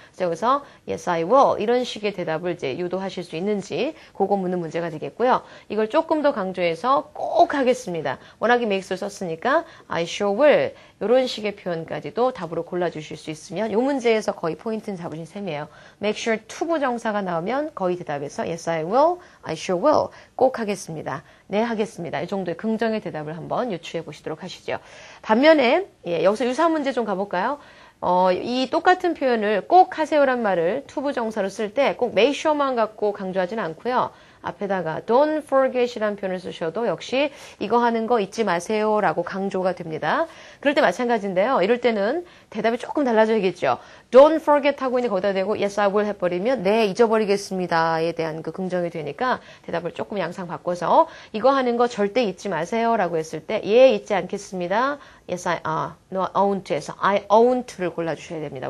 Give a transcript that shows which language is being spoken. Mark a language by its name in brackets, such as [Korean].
[Korean] 그래서 여기서 [English] yes, I will [Korean] 이런 식의 대답을 이제 유도하실 수 있는지 그거 묻는 문제가 되겠고요. 이걸 조금 더 강조해서 꼭 하겠습니다. 워낙에 make sure 썼으니까 [English] I sure will [Korean] 이런 식의 표현까지도 답으로 골라주실 수 있으면 이 문제에서 거의 포인트는 잡으신 셈이에요. Make sure to 부정사가 나오면 거의 대답에서 [English] yes, I will, I sure will [Korean] 꼭 하겠습니다. 네, 하겠습니다. 이 정도의 긍정의 대답을 한번 유추해 보시도록 하시죠. 반면에 여기서 유사 문제 좀 가볼까요? 이 똑같은 표현을 꼭 하세요란 말을 to 부정사로 쓸때꼭 make sure만 갖고 강조하진 않고요. 앞에다가 don't forget이라는 표현을 쓰셔도 역시 이거 하는 거 잊지 마세요라고 강조가 됩니다. 그럴 때 마찬가지인데요. 이럴 때는 대답이 조금 달라져야겠죠. Don't forget 하고 있는 거기다 대고 [English] yes, I will [Korean] 해버리면 네, 잊어버리겠습니다에 대한 그 긍정이 되니까 대답을 조금 양상 바꿔서 이거 하는 거 절대 잊지 마세요라고 했을 때 예, 잊지 않겠습니다. [English] Yes, I, no, I won't [Korean] 해서 [English] I won't를 [Korean] 골라주셔야 됩니다.